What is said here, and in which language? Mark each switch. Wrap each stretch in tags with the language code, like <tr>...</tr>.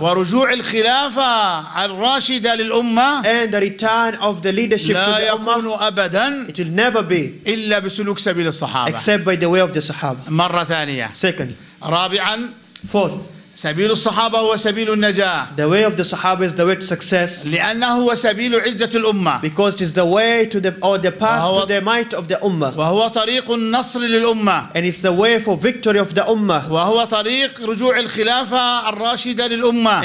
<ar>ورجوع الخلافة الراشدة للأمة</ar> <en>and the return of the leadership</en> <ar>لا يكون أبدا</ar> <en>it will never be</en> <ar>إلا بسلوك سبيل الصحابة</ar> <en>except by the way of the Sahaba</en> <ar>مرة ثانية</ar> <en>second</en> <ar>رابعا</ar> <en>fourth</en> <ar>سبيل الصحابة هو سبيل النجاة.</ar> <en>The way of the Sahaba is the way to success.</en> <ar>لأنه هو سبيل عزة الأمة.</ar> <en>Because it is the way to the or the path to the might of the Ummah.</en> <ar>وهو طريق النصر للأمة.</ar> <en>And it's the way for victory of the Ummah.</en> <ar>وهو طريق رجوع الخلافة الراشدة للأمة.</ar>